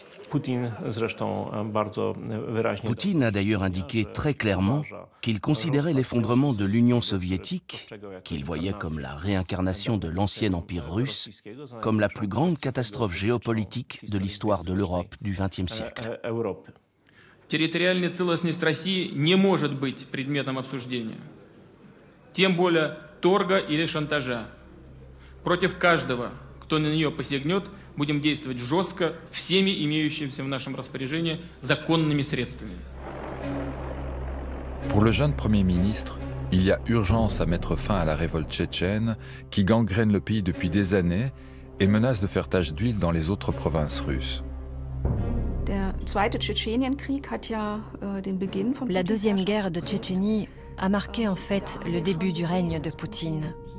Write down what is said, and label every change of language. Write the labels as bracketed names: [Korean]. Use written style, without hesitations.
[French] Poutine a d'ailleurs indiqué très clairement qu'il considérait l'effondrement de l'Union soviétique, qu'il voyait comme la réincarnation de l'ancien empire russe, comme la plus grande catastrophe géopolitique de l'histoire de l'Europe du XXe siècle. Territoriale [Russian] целостность России не может быть предметом обсуждения, тем более торга или шантажа. Против каждого, кто на нее посягнет, будем действовать жестко всеми имеющимися в нашем распоряжении законными средствами. [French] Pour le jeune premier ministre, il y a urgence à mettre fin à la révolte tchétchène qui gangrène le pays depuis des années et menace de faire tache d'huile dans les autres provinces russes. La deuxième guerre de Tchétchénie a marqué en fait le début du règne de Poutine.